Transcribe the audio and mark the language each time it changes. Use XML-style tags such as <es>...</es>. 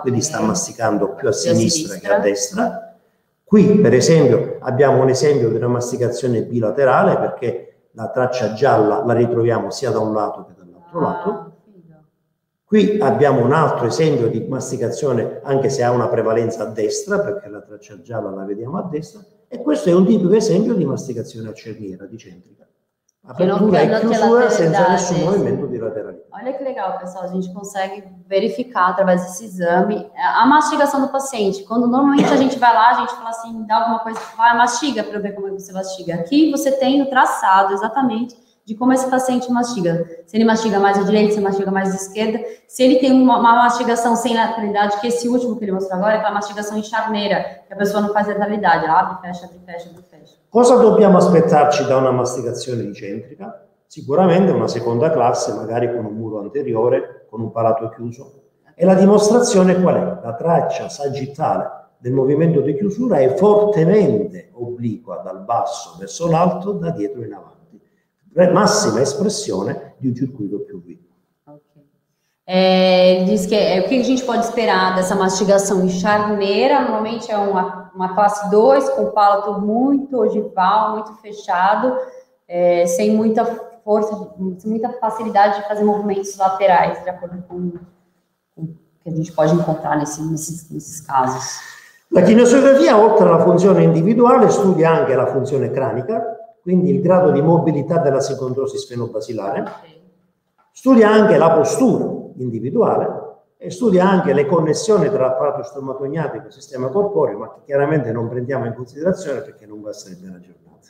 <it>quindi sta masticando più a sinistra che a destra. Qui per esempio abbiamo un esempio di una masticazione bilaterale perché la traccia gialla la ritroviamo sia da un lato che dall'altro lato. Qui abbiamo un altro esempio di masticazione, anche se ha una prevalenza a destra, perché la traccia gialla la vediamo a destra, e questo è un tipico esempio di masticazione a cerniera, dicentrica. Apertura e chiusura senza nessun movimento di lateralità.</it> <pt>Olha che legal, pessoal, a gente consegue verificar através desse exame a masticação do paciente. Quando normalmente a gente vai lá, a gente fala assim, dá alguma coisa, vai, mastiga para ver come você mastiga. Aqui você tem o traçado exatamente de como esse paciente mastiga. Se ele mastiga mais à direita, se ele mastiga mais à esquerda, se ele tem uma mastigação sem lateralidade, que esse último que ele mostrou agora é aquela mastigação em charneira, que a pessoa não faz lateralidade, ela abre, fecha, abre, fecha, abre, fecha.</pt> <it>Cosa dobbiamo aspettarci da una masticazione incentrica? Sicuramente una seconda classe, magari con un muro anteriore, con un palato chiuso. E la dimostrazione qual è? La traccia sagittale del movimento di chiusura è fortemente obliqua dal basso verso l'alto, da dietro in avanti. Massima espressione di un circuito più vivo. Okay.</it> <pt>O que a gente pode esperar dessa mastigação em charneira? Normalmente é uma classe 2 com palato muito ogival, muito fechado, sem muita força, sem muita facilidade de fazer movimentos laterais, de acordo com o que a gente pode encontrar nesses casos.</pt> <it>La kinesiografia, oltre alla funzione individuale, studia anche la funzione cranica, quindi il grado di mobilità della sicondrosi sfenobasilare, studia anche la postura individuale e studia anche le connessioni tra apparato stomatognatico e sistema corporeo, ma che chiaramente non prendiamo in considerazione perché non basterebbe la giornata.</it>